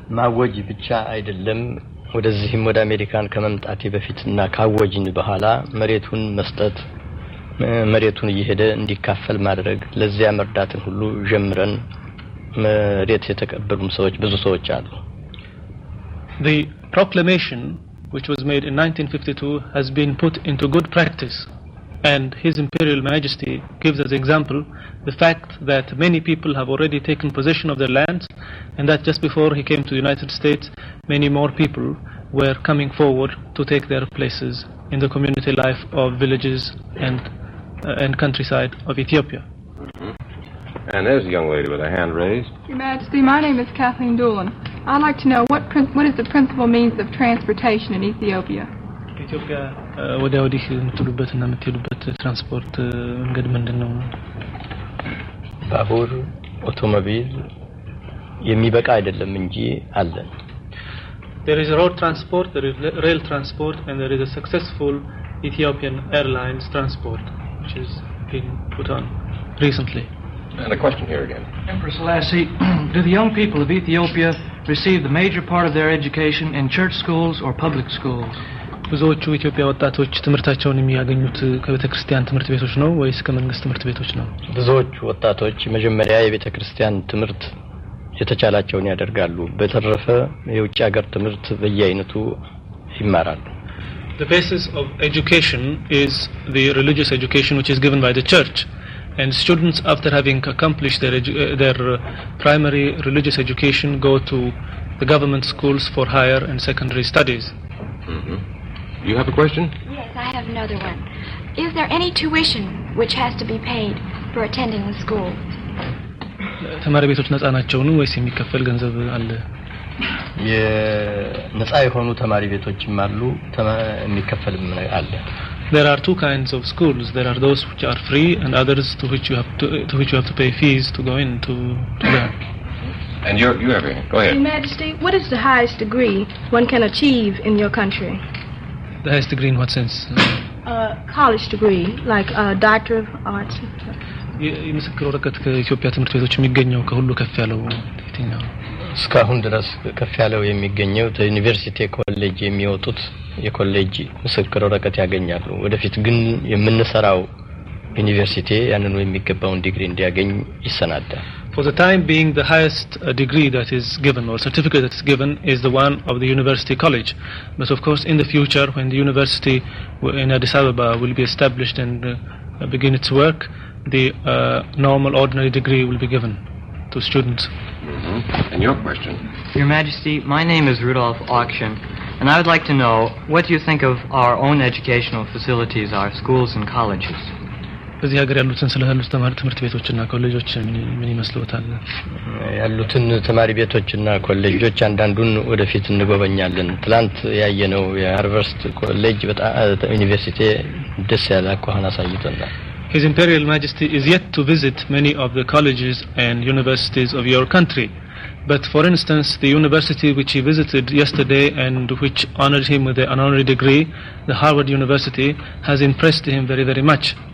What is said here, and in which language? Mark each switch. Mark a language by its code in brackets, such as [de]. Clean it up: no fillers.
[am] ማወጅ ብቻ አይደለም፣ ወደዚህም ወደ አሜሪካን ከመምጣቴ በፊትና ካወጅን በኋላ መሬቱን መስጠት፣ መሬቱን እየሄደ እንዲካፈል ማድረግ፣ ለዚያ መርዳትን ሁሉ ጀምረን መሬት የተቀበሉም ሰዎች ብዙ ሰዎች አሉ። [en] The proclamation which was made in 1952 has been put into good practice, and His Imperial Majesty gives as example the fact that many people have already taken possession of their lands, and that just before he came to the United States many more people were coming forward to take their places in the community life of villages and countryside of Ethiopia. Mm-hmm. And there's a young lady with a hand raised. Your Majesty, my name is Kathleen Doolin. I'd like to know what is the principal means of transportation in Ethiopia? [am] ኢትዮጵያ ወዲህ የምትሉበት እና የምትሄዱበት ትራንስፖርት መንገድ ምንድን ነው? ባቡር፣ አውቶሞቢል የሚበቃ አይደለም እንጂ አለ። [en] There is a road transport, there is rail transport, and there is a successful Ethiopian Airlines transport which has been put on recently. And a question here again. Empress Selassie, do the young people of Ethiopia receive the major part of their education in church schools or public schools? [am] ብዙዎቹ ኢትዮጵያ ወጣቶች ትምርታቸውን የሚያገኙት ከቤተክርስቲያን ትምርት ቤቶች ነው ወይስ ከመንግስት ትምርት ቤቶች ነው? ብዙዎቹ ወጣቶች መጀመሪያ የቤተክርስቲያን ትምርት የተቻላቸውን ያደርጋሉ፣ በተረፈ የውጭ ሀገር ትምርት በየአይነቱ ይማራሉ። [en] The basis of education is the religious education which is given by the church, and students after having accomplished their primary religious education go to the government schools for higher and secondary studies. Mm-hmm. You have a question? Yes, I have another one. Is there any tuition which has to be paid for attending the school? [am] ተማሪ ቤቶች ነፃ ናቸው ወይስ የሚከፈል ገንዘብ አለ? የነፃ የሆኑ ተማሪ ቤቶችም አሉ፣ የሚከፈልም አለ። [en] There are two kinds of schools. There are those which are free and others to which you have to pay fees to go into to learn. And you have it. Go ahead. Your Majesty, what is the highest degree one can achieve in your country? The highest degree in what sense? College degree, like a doctor of arts. [am] የምስክር ወረቀት ከኢትዮጵያ ትምህርት ቤቶች የሚገኘው ከሁሉ ከፍ ያለው የትኛው? እስካሁን ድረስ ከፍ ያለው የሚገኘው ዩኒቨርሲቲ ኮሌጅ የሚወጡት የኮሌጅ ምስክር ወረቀት ያገኛሉ። ወደፊት ግን የምንሰራው ዩኒቨርሲቲ ያንን የሚገባውን ዲግሪ እንዲያገኝ ይሰናዳል። [en] For the time being, the highest degree that is given or certificate that is given is the one of the university college. But of course, in the future, when the university in Addis Ababa will be established and begin its work, the normal ordinary degree will be given to students. Mm-hmm. And your question? Your Majesty, my name is Rudolf Auction, and I would like to know what you think of our own educational facilities, our schools and colleges. [am] በዚህ ሀገር ያሉትን ስለሆነ ትምህርት ቤቶችና ኮሌጆች ምን ይመስሉታል? ያሉትን ተማሪ ቤቶችና ኮሌጆች አንዳንዱን ወደፊት እንጎበኛለን። ትላንት ያየነው የሃርቨርስት ኮሌጅ በጣም ዩኒቨርሲቲ ደስ ያለ አቋም አሳይቷል። [en] His Imperial Majesty is yet to visit many of the colleges and universities of your country. But for instance, the university which he visited yesterday and which honored him with an honorary degree, the Harvard University, has impressed him very, very much.